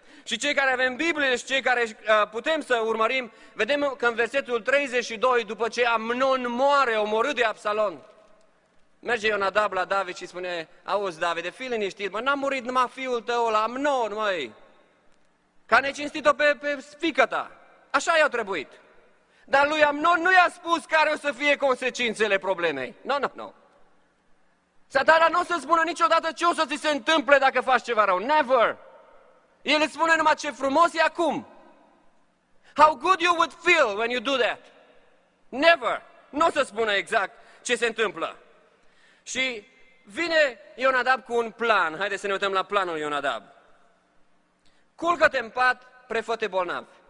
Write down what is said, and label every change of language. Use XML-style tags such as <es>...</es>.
<ro>Și cei care avem Biblie și cei care putem să urmărim, vedem că în versetul 32, după ce Amnon moare, omorât de Absalom, merge Ionadab la David și spune, auzi, David, fii liniștit, mă, n-a murit numai fiul tău la Amnon, măi, că a necinstit-o pe fiică ta. Așa i-a trebuit. Dar lui Amnon nu i-a spus care o să fie consecințele problemei. Nu. Satana nu o să spună niciodată ce o să ți se întâmple dacă faci ceva rău.</ro> <en>Never!</en> <ro>El îți spune numai ce frumos e acum.</ro> <en>How good you would feel when you do that. Never.</en> <ro>Nu o să spună exact ce se întâmplă. Și vine Ionadab cu un plan. Haideți să ne uităm la planul Ionadab. Culcă-te în pat, prefă-te bolnav.</ro>